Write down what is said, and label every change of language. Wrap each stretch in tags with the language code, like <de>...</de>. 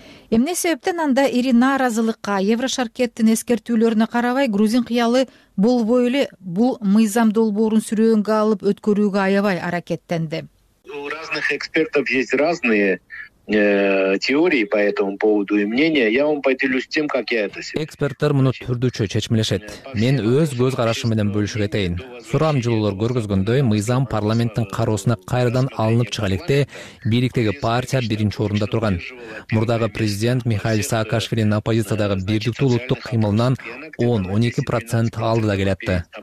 <ky>Эмне себептен анда ири нааразылыкка, Еврошаркеттин эскертүүлөрүнө карабай, грузин кыялы болбой эле бул мыйзам долбоорун сүрөөнгө алып өткөрүүгө аябай аракеттенди?</ky> <ru>У разных экспертов есть разные теории по этому поводу и мнения. Я вам поделюсь тем, как я это себе.</ru> <ky>Эксперттер муну түрдүчө чечмелешет. Мен өз көз карашым менен бөлүшүп кетейин. Сурам жылуулор көргөзгөндөй, мыйзам парламенттин кароосуна кайрадан алынып чыга электе, бийликтеги партия биринчи орунда турган. Мурдагы президент Михаил Саакашвилинин оппозициядагы бирдиктүү улуттук кыймылынан 10-12% алдыда келатты.</ky>